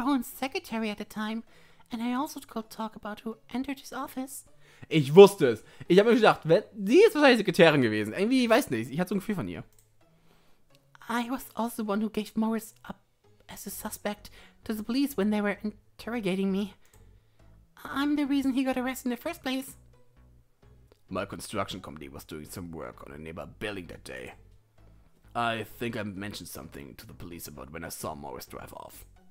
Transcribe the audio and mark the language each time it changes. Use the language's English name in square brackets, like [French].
[English] Bowen's secretary at the time, and I also could talk about who entered his office. [German] Ich wusste es. Ich habe mir gedacht, wenn, sie ist wahrscheinlich Sekretärin gewesen. Irgendwie, ich weiß nicht. Ich hatte so ein Gefühl von ihr. [English] I was also the one who gave Morris up as a suspect to the police when they were interrogating me. I'm the reason he got arrested in the first place. My construction company was doing some work on a nearby building that day. I think I mentioned something to the police about when I saw Morris drive off.